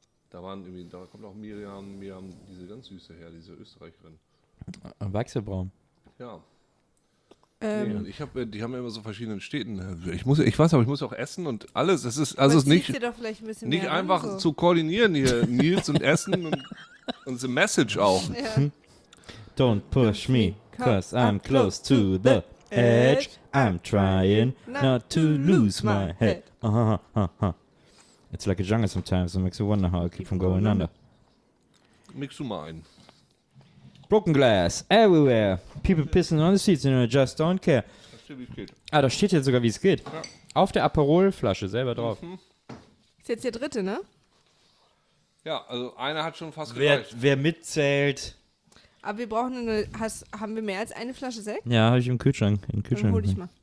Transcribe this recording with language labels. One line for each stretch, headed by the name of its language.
German: Da waren irgendwie, da kommt auch Miriam, diese ganz süße her, diese Österreicherin. Wechselbraun. Ja. Ich habe, die haben ja immer so verschiedenen Städten. Ich muss auch essen und alles. Das ist also nicht einfach zu koordinieren hier, Nils und Essen und the Message auch.
English: Yeah. Don't push me, cause I'm close to the edge. I'm trying not to lose my head. It's like a jungle sometimes, it makes you wonder how I keep from going under.
German: Mix du mal ein.
English: Broken glass everywhere. People pissing on the seats and I just don't care.
German: Ah, da steht jetzt sogar, wie es geht. Ja. Auf der Aperol-Flasche selber drauf. Ist jetzt der dritte, ne? Ja, also einer hat schon fast gereicht. Wer mitzählt. Aber wir brauchen eine. Haben wir mehr als eine Flasche Sekt? Ja, habe ich im Kühlschrank. Im Kühlschrank. Dann hol ich mal.